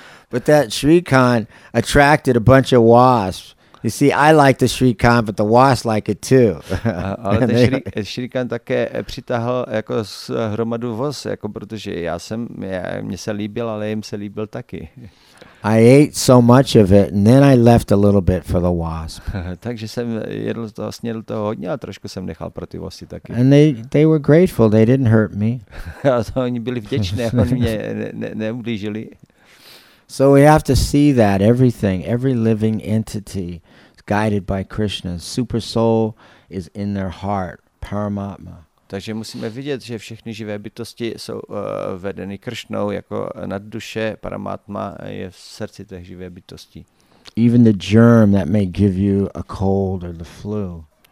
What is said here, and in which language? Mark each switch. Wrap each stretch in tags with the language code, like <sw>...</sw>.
<en>But that Shrikant attracted a bunch of wasps. You see, I like the Shrikant, but the wasps like it too.</en> <cs>Ale ten Shrikant také přitahl jako hromadu vos, jako protože já jsem, mně se líbil, ale jim se líbil taky.</cs> <en>I ate so much of it, and then I left a little bit for the wasp.</en> <cs>Takže jsem jedl to, snědl to hodně, a trošku jsem nechal pro ty vosy taky.</cs> <en>And they were grateful; they didn't hurt me.</en> <cs>Oni byli vděčné, oni mě neublížili.</cs> <en>So we have to see that everything, every living entity, is guided by Krishna. Super soul is in their heart, Paramatma.</en> <cs>Takže musíme vidět, že všechny živé bytosti jsou vedeny Kršnou jako nadduše, Paramatma je v srdci těch živé bytosti.</cs> <en>Even the germ that may give you a cold or the flu.</en>